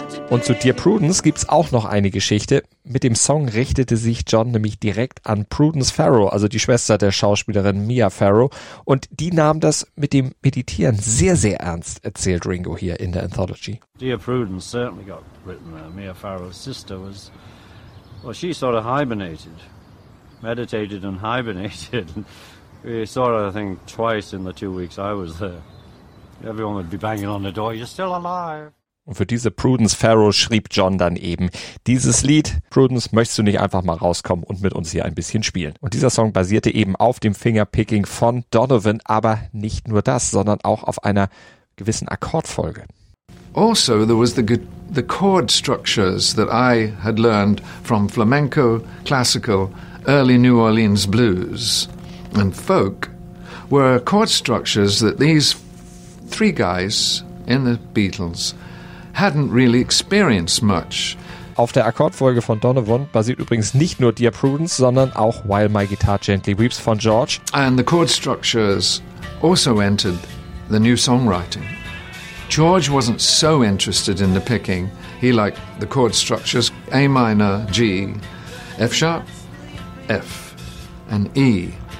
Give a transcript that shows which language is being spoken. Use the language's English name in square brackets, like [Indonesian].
[German] Und zu Dear Prudence gibt's auch noch eine Geschichte. Mit dem Song richtete sich John nämlich direkt an Prudence Farrow, also die Schwester der Schauspielerin Mia Farrow. Und die nahm das mit dem Meditieren sehr, sehr ernst, erzählt Ringo hier in der Anthology. [English] Dear Prudence certainly got written there. Mia Farrow's sister was, well, she sort of hibernated. Meditated and hibernated. We saw her, I think, twice in the 2 weeks I was there. Everyone would be banging on the door, you're still alive. [German] Und für diese Prudence Farrow schrieb John dann eben dieses Lied. Prudence, möchtest du nicht einfach mal rauskommen und mit uns hier ein bisschen spielen? Und dieser Song basierte eben auf dem Fingerpicking von Donovan, aber nicht nur das, sondern auch auf einer gewissen Akkordfolge. [English] Also, there was the chord structures that I had learned from flamenco, classical, early New Orleans blues and folk were chord structures that these three guys in the Beatles hadn't really experienced much. [German] Auf der Akkordfolge von Donovan basiert übrigens nicht nur Dear Prudence, sondern auch While My Guitar Gently Weeps von George. [English] And the chord structures also entered the new songwriting. George wasn't so interested in the picking. He liked the chord structures A minor, G, F sharp, F and E.